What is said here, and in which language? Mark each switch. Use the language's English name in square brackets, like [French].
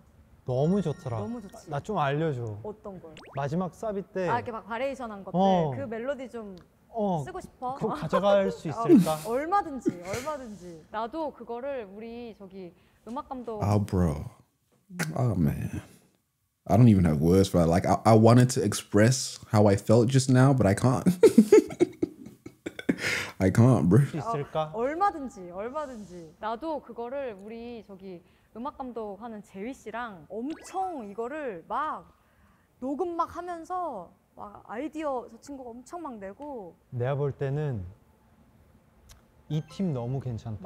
[Korean] 너무 좋더라. 너무 좋지. 나 좀 알려줘. 어떤 걸? 마지막 사비 때. 아 이렇게 막 바레이션한 것들. 어. 그 멜로디 좀 쓰고 싶어. 그거 가져갈 수 있을까? 아, 얼마든지. 나도 그거를 우리 저기 음악 감독. [English] 아 bro. 아 man. I don't even have words for it. Like, I wanted to express how I felt just now, but I can't. I can't, bro. [Korean] 있을까? 얼마든지. 나도 그거를 우리 저기 음악 감독 하는 재휘 씨랑 엄청 이거를 막 녹음 막 하면서 막 아이디어 저 친구가 엄청 막 내고. 내가 볼 때는 이 팀 너무 괜찮다.